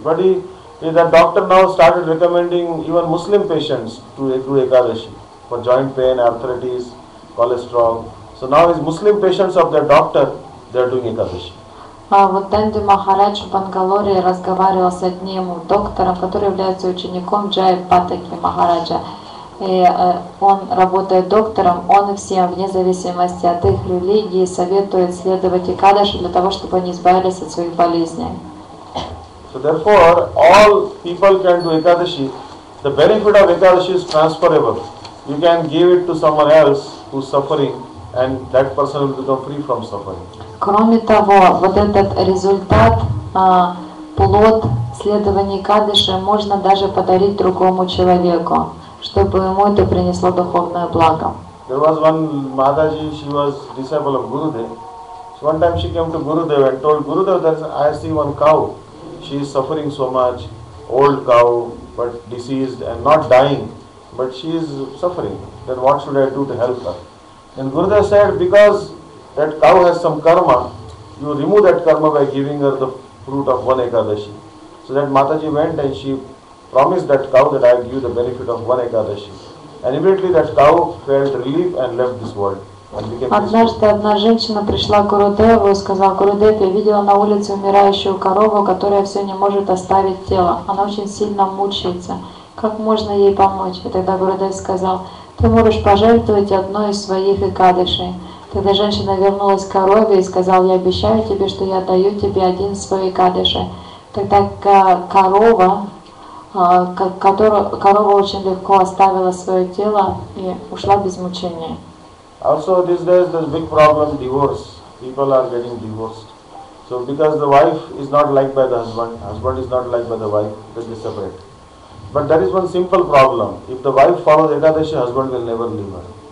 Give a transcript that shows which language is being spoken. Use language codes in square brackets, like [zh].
[en] But that doctor now started recommending even Muslim patients to do Ekadaši for joint pain, arthritis, cholesterol. So now his Muslim patients of that doctor, they are doing Ekadaši. [ru] Вот Данди Махарадж в Бангалоре разговаривал с одним доктором, который является учеником Джай Патаки Махараджа. И он работает доктором, он всем, вне зависимости от их религии, советует следовать Экадаши для того, чтобы они избавились от своих болезней. [en] So therefore, all people can do Ekadaši. The benefit of Ekadaši is transferable. You can give it to someone else who's suffering, and that person will become free from suffering. [ru] Кроме того, вот этот результат, плод следования Экадаши можно даже подарить другому человеку, чтобы ему это принесло духовное благо. [en] There was one Mataji, she was disciple of Gurudev. So one time she came to Gurudev and told Gurudev that I see one cow. She is suffering so much, old cow, but diseased and not dying, but she is suffering. Then what should I do to help her? And Gurudev said, because that cow has some karma, you remove that karma by giving her the fruit of one Ekadaši. So that Mataji went and she promised that cow that I will give the benefit of one Ekadaši. And immediately that cow felt relief and left this world. [ru] Однажды одна женщина пришла к Гурудеву и сказала, Гурудев, я видела на улице умирающую корову, которая все не может оставить тело. Она очень сильно мучается. Как можно ей помочь? И тогда Гурудев сказал, ты можешь пожертвовать одной из своих Экадаши. Тогда женщина вернулась к корове и сказала, я обещаю тебе, что я даю тебе один свой Экадаши. Тогда корова корова очень легко оставила свое тело и ушла без мучения. [en] Also these days there's big problem divorce. People are getting divorced. So because the wife is not liked by the husband, husband is not liked by the wife, then they separate. But that is one simple problem. If the wife follows Ekadashi, husband will never leave her.